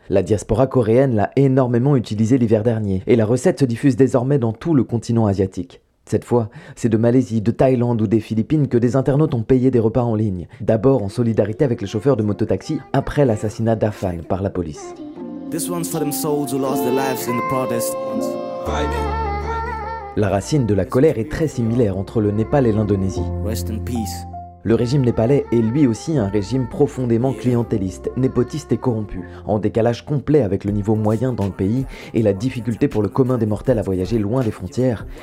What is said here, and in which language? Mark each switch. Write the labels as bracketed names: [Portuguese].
[French] La diaspora coréenne l'a énormément utilisé l'hiver dernier et la recette se diffuse désormais dans tout le continent asiatique. Cette fois, c'est de Malaisie, de Thaïlande ou des Philippines que des internautes ont payé des repas en ligne, d'abord en solidarité avec le chauffeur de mototaxi après l'assassinat d'Afan par la police. [English] This one's for them souls who lost their lives in the protests. [French] La racine de la colère est très similaire entre le Népal et l'Indonésie. [English] Rest in peace. [French] Le régime népalais est lui aussi un régime profondément clientéliste, népotiste et corrompu, en décalage complet avec le niveau moyen dans le pays et la difficulté pour le commun des mortels à voyager loin des frontières.